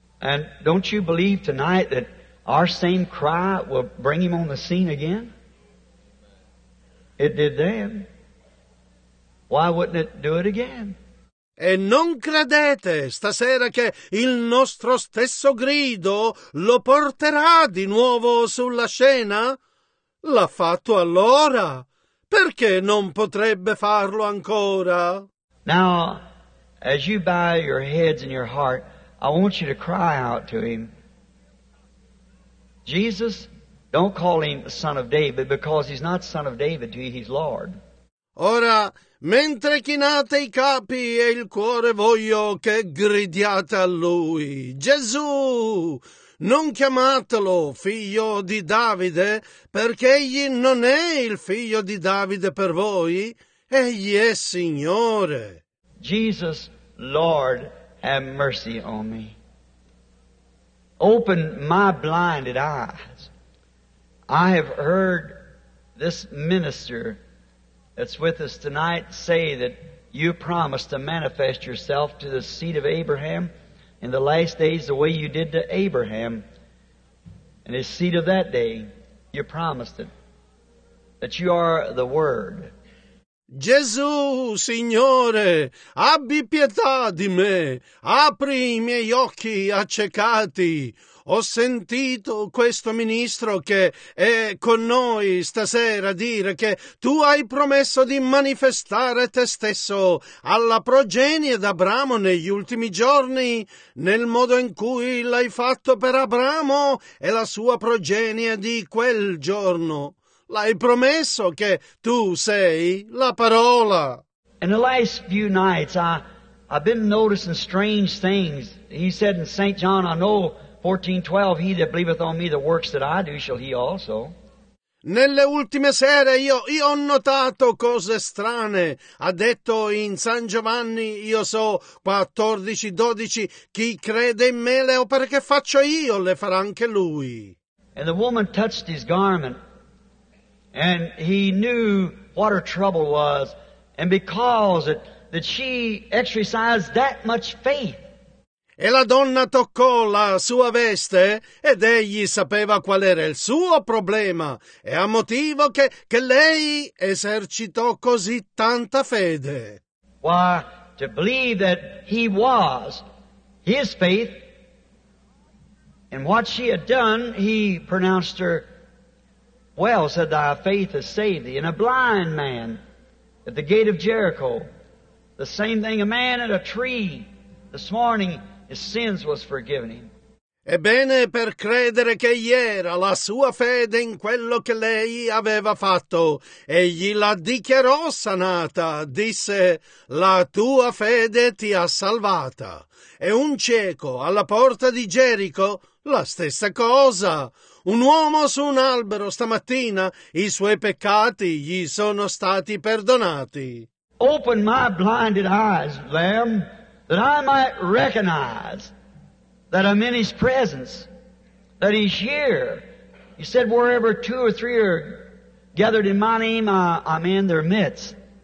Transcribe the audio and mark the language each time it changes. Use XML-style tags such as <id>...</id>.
<en>And don't you believe tonight that our same cry will bring him on the scene again? It did then. Why wouldn't it do it again?</en> <it>E non credete stasera che il nostro stesso grido lo porterà di nuovo sulla scena? L'ha fatto allora. Perché non potrebbe farlo ancora?</it> <en>Now, as you bow your heads and your heart, I want you to cry out to him. Jesus, don't call him the son of David, because he's not son of David to you, he's Lord.</en> <it>Ora, mentre chinate i capi e il cuore, voglio che gridiate a lui. Gesù, non chiamatelo figlio di Davide, perché egli non è il figlio di Davide per voi. Egli è Signore.</it> <en>Jesus, Lord, have mercy on me. Open my blinded eyes. I have heard this minister that's with us tonight say that you promised to manifest yourself to the seed of Abraham in the last days the way you did to Abraham and his seed of that day. You promised it, that you are the Word.</en> <it>Gesù, Signore, abbi pietà di me, apri i miei occhi accecati. Ho sentito questo ministro che è con noi stasera dire che tu hai promesso di manifestare te stesso alla progenie d'Abramo negli ultimi giorni, nel modo in cui l'hai fatto per Abramo e la sua progenie di quel giorno. L'hai promesso che tu sei la parola.</it> <en>In the last few nights I've been noticing strange things. He said in St. John, I know 14:12, he that believeth on me, the works that I do shall he also.</en> <it>Nelle ultime sere io ho notato cose strane. Ha detto in San Giovanni, io so 14:12, chi crede in me le opere che faccio io le farà anche lui.</it> <en>And the woman touched his garment. And he knew what her trouble was, and because that she exercised that much faith.</en> <it>E la donna toccò la sua veste, ed egli sapeva qual era il suo problema, e a motivo che lei esercitò così tanta fede.</it> <en>Why, to believe that he was, his faith, and what she had done, he pronounced her, well, said, thy faith has saved thee. And a blind man at the gate of Jericho, the same thing, a man at a tree, this morning, his sins was forgiven him.</en> <it>Ebbene, per credere che egli era la sua fede in quello che lei aveva fatto, egli la dichiarò sanata, disse, la tua fede ti ha salvata. E un cieco alla porta di Gerico, la stessa cosa. Un uomo su un albero stamattina, i suoi peccati gli sono stati perdonati.</it> <en>Open my blinded eyes, Lamb, that I might recognize that I'm in his presence, that he's here. He said, wherever two or three are gathered in my name, I'm in their midst.</en>